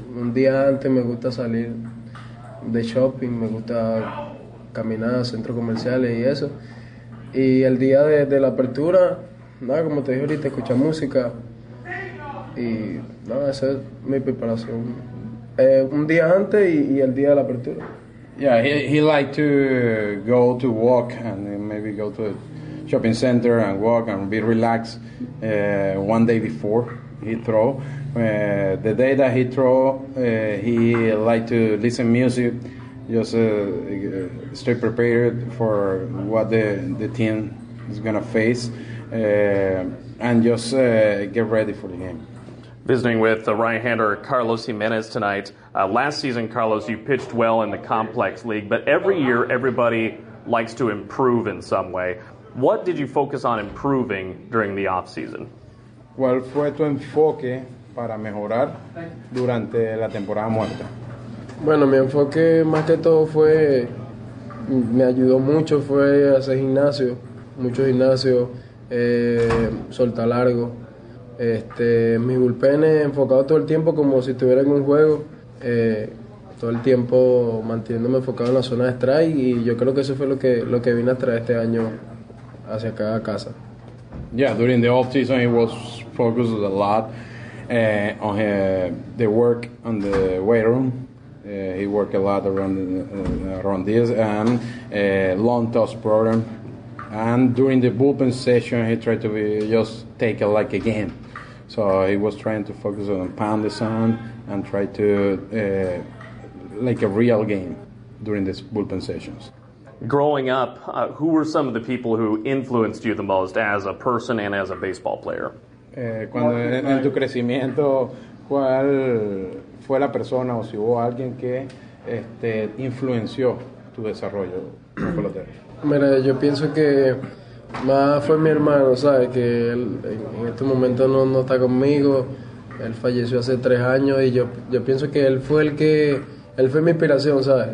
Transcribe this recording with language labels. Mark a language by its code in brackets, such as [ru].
[es] Un día antes me gusta salir de shopping, me gusta caminar a centros comerciales y eso. Y el día de la apertura, nada, como te dije ahorita, escuchar música. Y nada, esa es mi preparación. Un día antes y el día de la apertura. [en] Yeah, he liked to go to walk and maybe go to a shopping center and walk and be relaxed one day before he throw. The day that he throw, he liked to listen music, just stay prepared for what the team is going to face, and just get ready for the game. Visiting with the right-hander Carlos Jimenez tonight. Last season, Carlos, you pitched well in the complex league, but every year everybody likes to improve in some way. What did you focus on improving during the offseason? [es] ¿Cuál fue tu enfoque para mejorar durante la temporada muerta? Bueno, mi enfoque más que todo fue, me ayudó mucho, fue hacer gimnasio, mucho gimnasio, soltar largo. Mi bullpen es enfocado todo el tiempo como si estuviera en un juego, todo el tiempo manteniéndome enfocado en la zona de strike, y yo creo que eso fue lo que vine a traer este año hacia acá a casa. [en] Yeah, during the off season he was focused a lot on the work on the weight room. He worked a lot around this and long toss program, and during the bullpen session he tried to be just take it like a game. So he was trying to focus on pound the sun and try to like a real game during these bullpen sessions. Growing up, who were some of the people who influenced you the most as a person and as a baseball player? [es] Cuando en tu crecimiento, ¿cuál fue la persona o si hubo alguien que influenció tu desarrollo? Mira, yo pienso que más fue mi hermano, ¿sabes? Que él en este momento no está conmigo. Él falleció hace 3 años y yo pienso que él fue mi inspiración, ¿sabes?